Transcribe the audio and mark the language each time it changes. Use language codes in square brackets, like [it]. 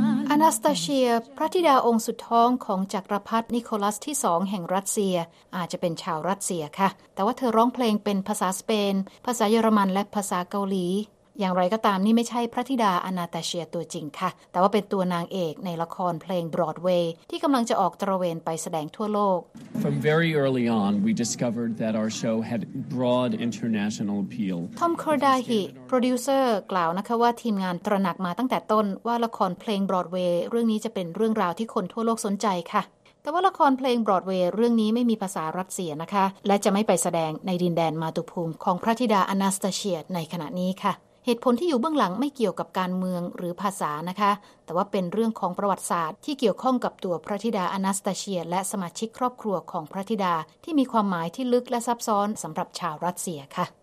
[th] อนาสตาเชียพระธิดาองค์สุดท้องของจักรพรรดินิโคลัสที่2แห่งรัสเซียอาจจะเป็นชาวรัสเซียค่ะแต่ว่าเธอร้องเพลงเป็นภาษาสเปนภาษาเยอรมันและภาษาเกาหลีอย่างไรก็ตามนี่ไม่ใช่พระธิดาอนาตาเชียตัวจริงค่ะแต่ว่าเป็นตัวนางเอกในละครเพลงบรอดเวย์ที่กำลังจะออกตระเวนไปแสดงทั่วโลก [en] From very early on we discovered that our show had broad international appeal [th] Tom Kordahi โปรดิวเซอร์กล่าวนะคะว่าทีมงานตระหนักมาตั้งแต่ต้นว่าละครเพลงบรอดเวย์เรื่องนี้จะเป็นเรื่องราวที่คนทั่วโลกสนใจค่ะแต่ว่าละครเพลงบรอดเวย์เรื่องนี้ไม่มีภาษารัสเซียนะคะและจะไม่ไปแสดงในดินแดนมาตุภูมิของพระธิดาอนาตาเชียในขณะนี้ค่ะเหตุผลที่อยู่เบื้องหลังไม่เกี่ยวกับการเมืองหรือภาษานะคะแต่ว่าเป็นเรื่องของประวัติศาสตร์ที่เกี่ยวข้องกับตัวพระธิดาอนาสตาเชียและสมาชิกครอบครัวของพระธิดาที่มีความหมายที่ลึกและซับซ้อนสำหรับชาวรัสเซียค่ะ